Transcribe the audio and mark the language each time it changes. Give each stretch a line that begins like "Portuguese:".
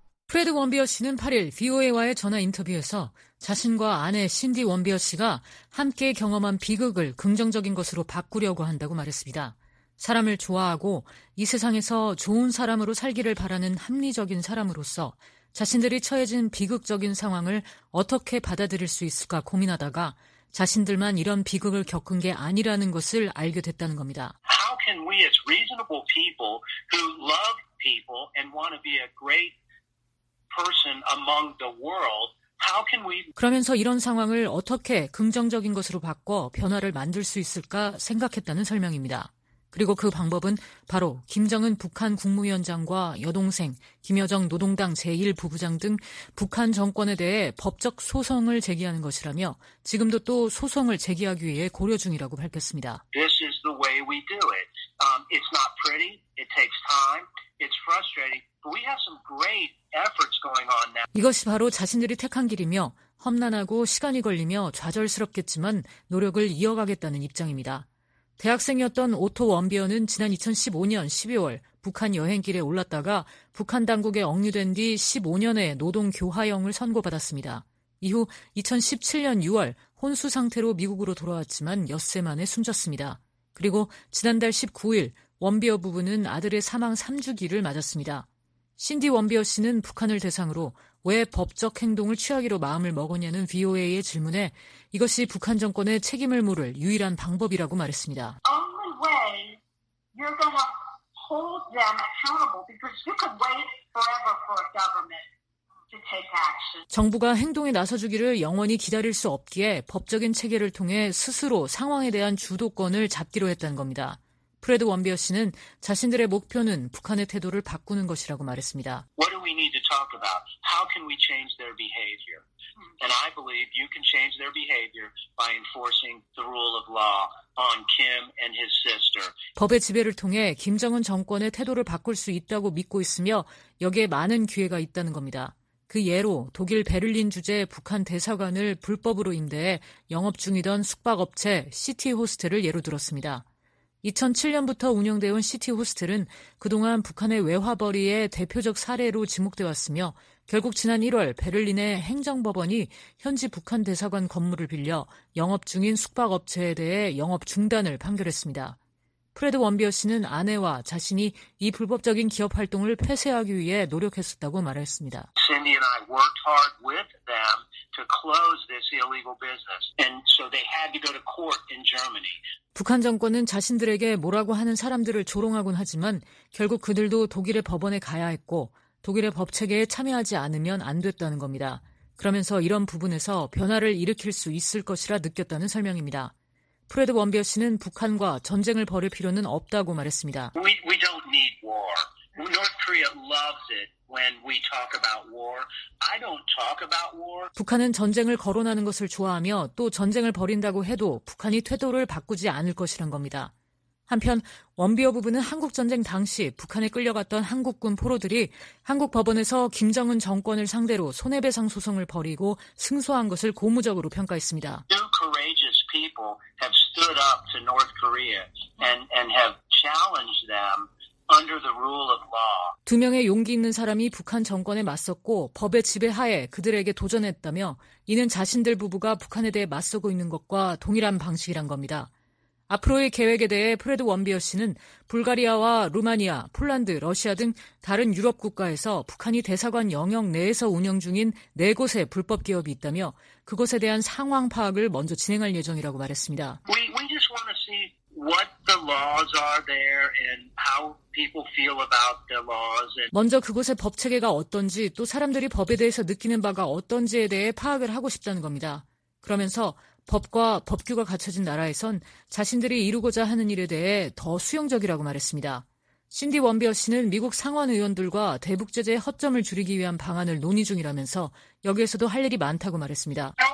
Korean: 프레드 원비어 씨는 8일 VOA와의 전화 인터뷰에서 자신과 아내 신디 원비어 씨가 함께 경험한 비극을 긍정적인 것으로 바꾸려고 한다고 말했습니다. 사람을 좋아하고 이 세상에서 좋은 사람으로 살기를 바라는 합리적인 사람으로서 자신들이 처해진 비극적인 상황을 어떻게 받아들일 수 있을까 고민하다가 자신들만 이런 비극을 겪은 게 아니라는 것을 알게 됐다는 겁니다.
English: How can we as reasonable people who love people and want to be a great person among the world, how can we
Korean: 그러면서 이런 상황을 어떻게 긍정적인 것으로 바꿔 변화를 만들 수 있을까 생각했다는 설명입니다. 그리고 그 방법은 바로 김정은 북한 국무위원장과 여동생, 김여정 노동당 제1부부장 등 북한 정권에 대해 법적 소송을 제기하는 것이라며 지금도 또 소송을 제기하기 위해 고려 중이라고 밝혔습니다.
English: This is the way we do it. It's not pretty. It takes time. It's frustrating. But we have some great efforts going on now.
Korean: 이것이 바로 자신들이 택한 길이며 험난하고 시간이 걸리며 좌절스럽겠지만 노력을 이어가겠다는 입장입니다. 대학생이었던 오토 원비어는 지난 2015년 12월 북한 여행길에 올랐다가 북한 당국에 억류된 뒤 15년의 노동 교화형을 선고받았습니다. 이후 2017년 6월 혼수 상태로 미국으로 돌아왔지만 엿새 만에 숨졌습니다. 그리고 지난달 19일 원비어 부부는 아들의 사망 3주기를 맞았습니다. 신디 원비어 씨는 북한을 대상으로 왜 법적 행동을 취하기로 마음을 먹었냐는 VOA의 질문에 이것이 북한 정권의 책임을 물을 유일한 방법이라고 말했습니다.
English: Only way you're gonna hold them accountable because you could wait forever for a government to take action.
Korean: 정부가 행동에 나서주기를 영원히 기다릴 수 없기에 법적인 체계를 통해 스스로 상황에 대한 주도권을 잡기로 했다는 겁니다. 프레드 원비어 씨는 자신들의 목표는 북한의 태도를 바꾸는 것이라고 말했습니다.
English: What do we need to talk about? How can we change their behavior? And I believe you can change their behavior by enforcing the rule of law on Kim and his sister.
Korean: 법의 지배를 통해 김정은 정권의 태도를 바꿀 수 있다고 믿고 있으며 여기에 많은 기회가 있다는 겁니다. 그 예로 독일 베를린 주재 북한 대사관을 불법으로 임대해 영업 중이던 숙박업체 시티 호스텔을 예로 들었습니다. 2007년부터 운영되어 온 시티 호스텔은 그동안 북한의 외화벌이의 대표적 사례로 지목되어 왔으며 결국 지난 1월 베를린의 행정법원이 현지 북한 대사관 건물을 빌려 영업 중인 숙박업체에 대해 영업 중단을 판결했습니다. 프레드 원비어 씨는 아내와 자신이 이 불법적인 기업 활동을 폐쇄하기 위해 노력했었다고 말했습니다.
English: Cindy and I worked hard with them to close this illegal business. And so they had to go to court in Germany.
Korean: 북한 정권은 자신들에게 뭐라고 하는 사람들을 조롱하곤 하지만 결국 그들도 독일의 법원에 가야 했고 독일의 법체계에 참여하지 않으면 안 됐다는 겁니다. 그러면서 이런 부분에서 변화를 일으킬 수 있을 것이라 느꼈다는 설명입니다. 프레드 원비어 씨는 북한과 전쟁을 벌일 필요는 없다고 말했습니다.
English: We don't need war. North Korea loves it when we talk about war. I don't talk about war.
Korean: 북한은 전쟁을 거론하는 것을 좋아하며 또 전쟁을 벌인다고 해도 북한이 태도를 바꾸지 않을 것이란 겁니다. 한편 원비어 부부는 한국전쟁 당시 북한에 끌려갔던 한국군 포로들이 한국 법원에서 김정은 정권을 상대로 손해배상 소송을 벌이고 승소한 것을 고무적으로 평가했습니다.
English: Two courageous people have stood up to North Korea and have challenged them. Under the rule of law.
Korean: 두 명의 용기 있는 사람이 북한 정권에 맞섰고 법의 지배하에 그들에게 도전했다며 이는 자신들 부부가 북한에 대해 맞서고 있는 것과 동일한 방식이란 겁니다. 앞으로의 계획에 대해 프레드 원비어 씨는 불가리아와 루마니아, 폴란드, 러시아 등 다른 유럽 국가에서 북한이 대사관 영역 내에서 운영 중인 네 곳의 불법 기업이 있다며 그곳에 대한 상황 파악을 먼저 진행할 예정이라고 말했습니다.
English: We just want to see what the laws are there and how people feel about the laws.
Korean: 먼저 그곳의 법 체계가 어떤지 또 사람들이 법에 대해서 느끼는 바가 어떤지에 대해 파악을 하고 싶다는 겁니다. 그러면서 법과 법규가 갖춰진 나라에선 자신들이 이루고자 하는 일에 대해 더 수용적이라고 말했습니다. 신디 원비어 씨는 미국 상원 의원들과 대북 제재의 허점을 줄이기 위한 방안을 논의 중이라면서 여기에서도 할 일이 많다고 말했습니다.